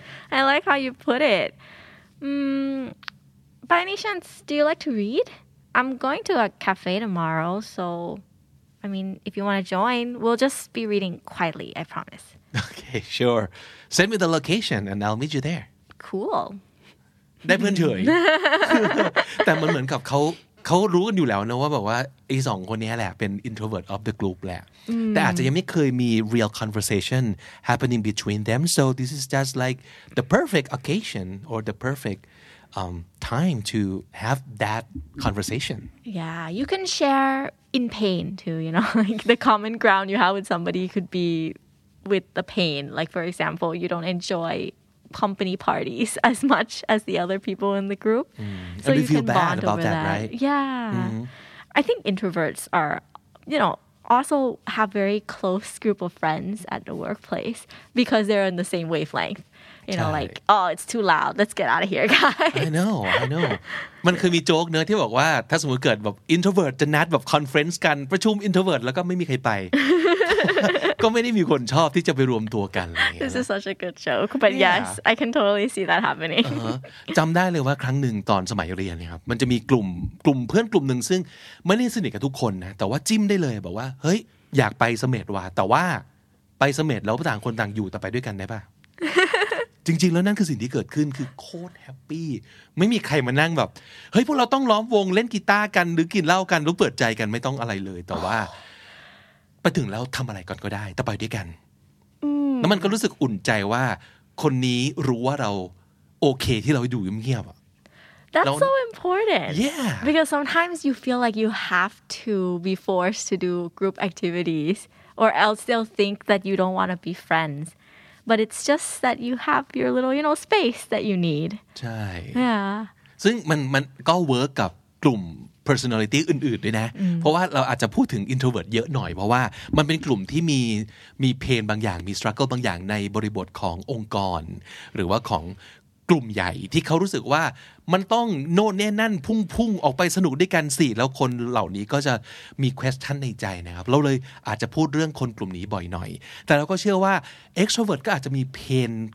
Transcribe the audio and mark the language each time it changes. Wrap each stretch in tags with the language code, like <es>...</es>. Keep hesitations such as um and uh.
<en>I like how you put it. Mm, by any chance, do you like to read? I'm going to a cafe tomorrow, so I mean, if you want to join, we'll just be reading quietly, I promise. okay, sure. Send me the location and I'll meet you there. Cool.</en> <th>ได้เพื่อนเฉย แต่มันเหมือนกับเขาเขารู้กันอยู่แล้วนะว่าแบบว่าไอ้สองคนเนี้ยแหละเป็น</th> <en>introvert of the group</en> <th>แหละ แต่อาจจะยังไม่เคยมี</th> <en>real conversation happening between them so this is just like the perfect occasion or the perfect um, time to have that conversation Yeah, you can share in pain too, you know, like the common ground you have with somebody could be with the pain. Like, for example, you don't enjoy company parties as much as the other people in the group. So And we you feel can bad bond about over that, that, right? Yeah. I think introverts are, you know, also have very close group of friends at the workplace because they're on the same wavelength. You know, Right. like, oh, it's too loud. Let's get out of here, guys. I know I know</en> <th>มันเคยมีโจ๊กเนอะที่บอกว่าถ้าสมมติเกิดแบบ introvert จะนัดแบบ conference กันประชุม introvert แล้วก็ไม่มีใครไป ก็ไม่ได้มีคนชอบที่จะไปรวมตัวกันอะไรอย่างเงี้ย</th> <en>This is such a good joke, but Yeah. yes, I can totally see that happening.</en> <th>จำได้เลยว่าครั้งหนึ่งตอนสมัยเรียนเนยครับมันจะมีกลุ่มกลุ่มเพื่อนกลุ่มหนึ่งซึ่งไม่ได้สนิทกับทุกคนนะแต่ว่าจิ้มได้เลยบอกว่า เฮ้ย อยากไปเสม็ดว่ะแต่ว่าไปเสม็ดแล้วต่างคนต่างอยู่แต่ไปด้วยกันได้ปะ จริง ๆ แล้วนั่นคือสิ่งที่เกิดขึ้นคือโคตรแฮปปี้ไม่มีใครมานั่งแบบ เฮ้ย พวกเราต้องล้อมวงเล่นกีตาร์กันหรือกินเหล้ากันหรือเปิดใจกันไม่ต้องอะไรเลย แต่ว่า ไปถึงแล้วทำอะไรก่อนก็ได้ แต่ไปด้วยกัน อืม แล้วมันก็รู้สึกอุ่นใจว่า คนนี้รู้ว่าเราโอเคที่เราอยู่เงียบๆอะ</th> <en>That's Don't- so important. Yeah. Because sometimes you feel like you have to be forced to do group activities, or else they'll think that you don't want to be friends. But it's just that you have your little, you know, space that you need.</en> <th>ใช่</th> <en>Yeah.</en> <th>ซึ่งมันมันก็เวิร์กกับกลุ่ม personality อื่น ๆ ด้วยนะ เพราะว่าเราอาจจะพูดถึง introvert เยอะหน่อย เพราะว่ามันเป็นกลุ่มที่มีมีเพนบางอย่างมี struggle บางอย่างในบริบทขององค์กร หรือว่าของกลุ่มใหญ่ที่เขารู้สึกว่ามันต้องโน่นแน่นั่นพุ่งพุ่งออกไปสนุกด้วยกันสิ แล้วคนเหล่านี้ก็จะมี question ในใจนะครับ เราเลยอาจจะพูดเรื่องคนกลุ่มนี้บ่อยหน่อย แต่เราก็เชื่อว่า extrovert ก็อาจจะมีเพน</th>